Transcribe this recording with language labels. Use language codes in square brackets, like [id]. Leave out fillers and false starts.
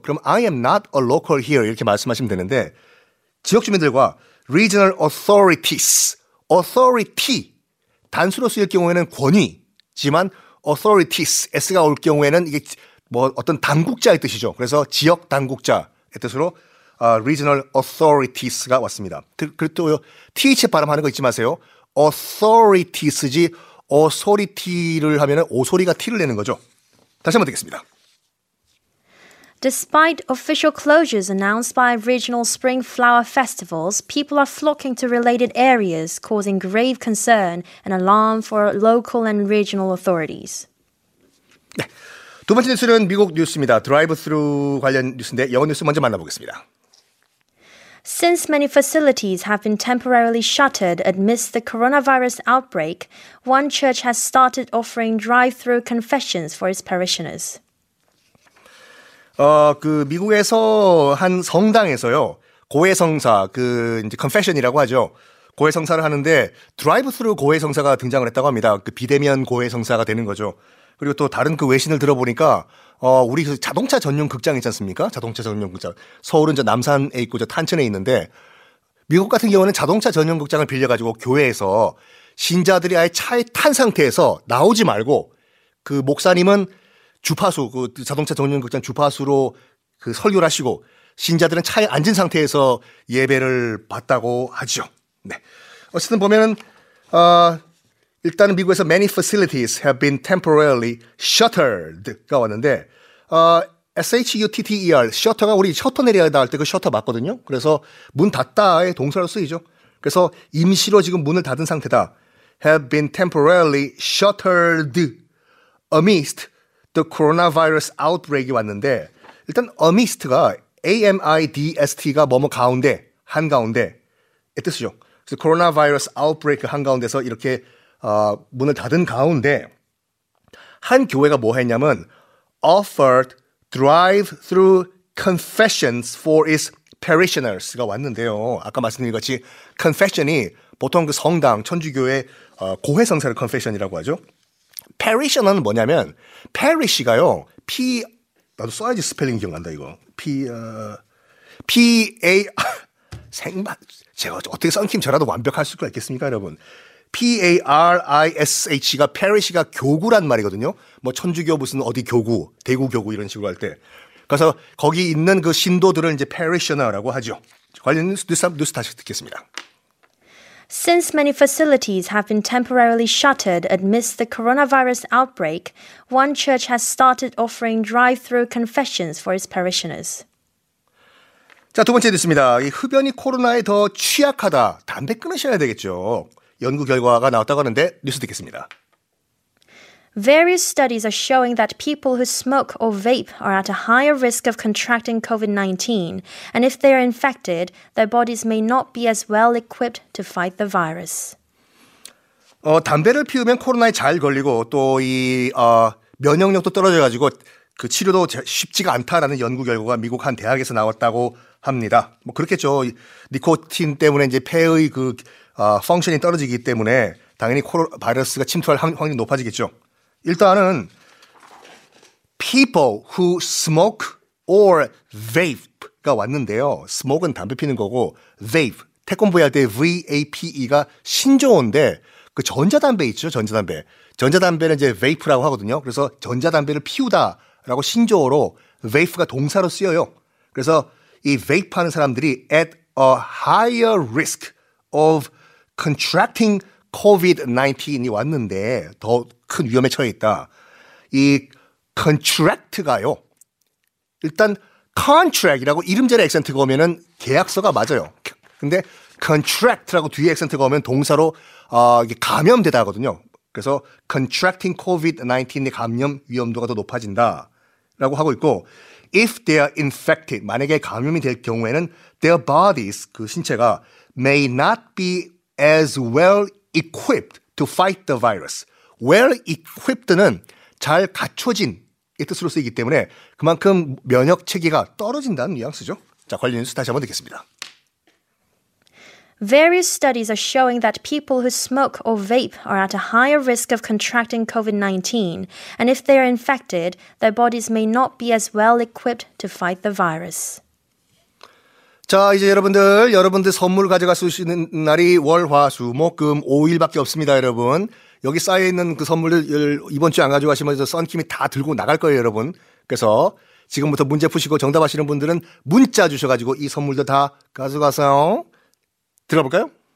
[ko] 그럼 [en] I am not a local here [ko] 이렇게 말씀하시면 되는데 지역 주민들과 [en] regional authorities, [ko] authority 단수로 쓰일 경우에는 권위지만 authorities s가 올 경우에는 이게 뭐 어떤 당국자의 뜻이죠. 그래서 지역 당국자의 뜻으로 [en] regional authorities [ko] 가 왔습니다. 그리고 th 발음하는 거 잊지 마세요. authorities지 authority를 하면은 오소리가 t를 내는 거죠. 다시 한번 듣겠습니다. [en] Despite official closures announced by regional spring flower festivals, people are flocking to related areas, causing grave concern and alarm for local and regional authorities. [ko] 네. 두 번째 뉴스는 미국 뉴스입니다. 드라이브스루 관련 뉴스인데 영어 뉴스 먼저 만나보겠습니다. [en] Since many facilities have been temporarily shuttered amidst the coronavirus outbreak, one church has started offering drive-through confessions for its parishioners. [ko] 그 미국에서 한 성당에서요. 고해성사, 그 이제 confession이라고 하죠. 고해성사를 하는데 드라이브-스루 고해성사가 등장을 했다고 합니다. 그 비대면 고해성사가 되는 거죠. 그리고 또 다른 그 외신을 들어보니까 우리 자동차 전용 극장 있지 않습니까? 자동차 전용 극장. 서울은 저 남산에 있고 저 탄천에 있는데 미국 같은 경우는 자동차 전용 극장을 빌려가지고 교회에서 신자들이 아예 차에 탄 상태에서 나오지 말고 그 목사님은 주파수, 그 자동차 전용 극장 주파수로 그 설교를 하시고 신자들은 차에 앉은 상태에서 예배를 받다고 하죠. 네. 어쨌든 보면은, 일단은 미국에서 [en] many facilities have been temporarily shuttered [ko] 가 왔는데 shutter, shutter가 우리 셔터 내리다 할 때 그 셔터 맞거든요. 그래서 문 닫다의 동사로 쓰이죠. 그래서 임시로 지금 문을 닫은 상태다. [en] have been temporarily shuttered amidst the coronavirus outbreak [ko] 이 왔는데 일단 amidst가 amidst가 뭐뭐 가운데, 한가운데의 뜻이죠. 그래서 coronavirus outbreak 한가운데서 이렇게 문을 닫은 가운데 한 교회가 뭐 했냐면 [en] offered drive-through confessions for its parishioners [ko] 가 왔는데요. 아까 말씀드린 것 같이 confession이 보통 그 성당, 천주교의 고해성사를 confession이라고 하죠. parishioner는 뭐냐면 parish가요. P 나도 써야지 스펠링 기억난다 이거. P P A 생마 제가 어떻게 썬킴 저라도 완벽할 수가 있겠습니까, 여러분? P-A-R-I-S-H가 parish가 교구란 말이거든요. 뭐 천주교 무슨 어디 교구, 대구 교구 이런 식으로 할 때. 그래서 거기 있는 그 신도들을 이제 parishioner라고 하죠. 관련 뉴스 다시 듣겠습니다. [en] Since many facilities have been temporarily shuttered amidst the coronavirus outbreak, one church has started offering drive-through confessions for its parishioners. [ko] 자, 두 번째 뉴스입니다. 이 흡연이 코로나에 더 취약하다. 담배 끊으셔야 되겠죠. 연구 결과가 나왔다고 하는데 뉴스 듣겠습니다. [en] Various studies are showing that people who smoke or vape are at a higher risk of contracting COVID-19, and if they are infected, their bodies may not be as well equipped to fight the virus. [ko] 담배를 피우면 코로나에 잘 걸리고 또 이 면역력도 떨어져가지고 그 치료도 쉽지가 않다라는 연구 결과가 미국 한 대학에서 나왔다고 합니다. 뭐 그렇겠죠. 니코틴 때문에 이제 폐의 그 펑션이 떨어지기 때문에 당연히 코로나 바이러스가 침투할 확률이 높아지겠죠. 일단은 [en] people who smoke or vape [ko] 가 왔는데요. smoke은 담배 피는 거고 vape, 태권브이 할 때 VAPE가 신조어인데 그 전자담배 있죠, 전자담배. 전자담배는 이제 vape라고 하거든요. 그래서 전자담배를 피우다라고 신조어로 vape가 동사로 쓰여요. 그래서 이 vape 하는 사람들이 [en] at a higher risk of contracting COVID-19 [ko] 이 왔는데 더 큰 위험에 처해 있다. 이 contract가요. 일단 contract이라고 이름절에 액센트가 오면은 계약서가 맞아요. 근데 contract라고 뒤에 액센트가 오면 동사로 이게 감염되다 하거든요. 그래서 [en] contracting COVID-19 [ko] 의 감염 위험도가 더 높아진다. 라고 하고 있고 [en] If they are infected, [ko] 만약에 감염이 될 경우에는 [en] their bodies, [ko] 그 신체가 [en] may not be as well equipped to fight the virus. Well equipped [ko] 는 잘 갖춰진 이 뜻으로 쓰이기 때문에 그만큼 면역 체계가 떨어진다는 뉘앙스죠. 자, 관련 뉴스 다시 한번 듣겠습니다. [en] Various studies are showing that people who smoke or vape are at a higher risk of contracting COVID-19, and if they are infected, their bodies may not be as well equipped to fight the virus. [ko] 자, 이제 여러분들, 여러분들 선물 가져갈 수 있는 날이 월, 화, 수, 목, 금, 5일밖에 없습니다, 여러분. 여기 쌓여있는 그 선물을 이번 주에 안 가져가시면 썬킴이 다 들고 나갈 거예요, 여러분. 그래서 지금부터 문제 푸시고 정답하시는 분들은 문자 주셔가지고 이 선물도 다 가져가세요. 들어볼까요?